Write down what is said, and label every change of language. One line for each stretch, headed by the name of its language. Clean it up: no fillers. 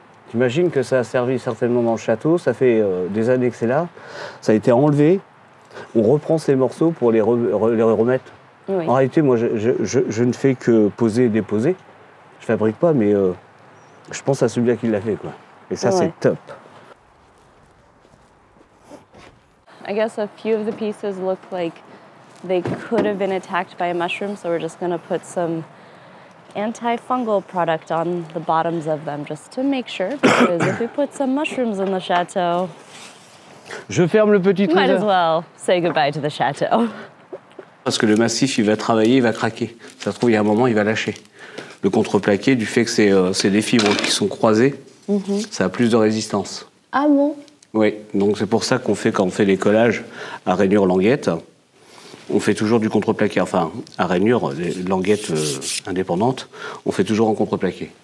French: T'imagines que ça a servi certainement dans le château, ça fait des années que c'est là, ça a été enlevé, on reprend ces morceaux pour les remettre. Oui. En réalité, moi je ne fais que poser et déposer. Je fabrique pas, mais je pense à celui-là qui l'a fait, quoi. Et ça, c'est top.
English: I guess a few of the pieces look like they could have been attacked by a mushroom, so we're just gonna put some antifungal product on the bottoms of them just to make sure, because if we put some mushrooms in the château,
French: je ferme le petit trésor.
English: Might as well say goodbye to the château.
French: Parce que le massif, il va travailler, il va craquer. Ça se trouve, il y a un moment, il va lâcher. Le contreplaqué, du fait que c'est des fibres qui sont croisées, mm-hmm. ça a plus de résistance. Ah bon? Oui, donc c'est pour ça qu'on fait, quand on fait les collages à rainures languettes, on fait toujours du contreplaqué, enfin à rainures, languettes indépendantes, on fait toujours en contreplaqué.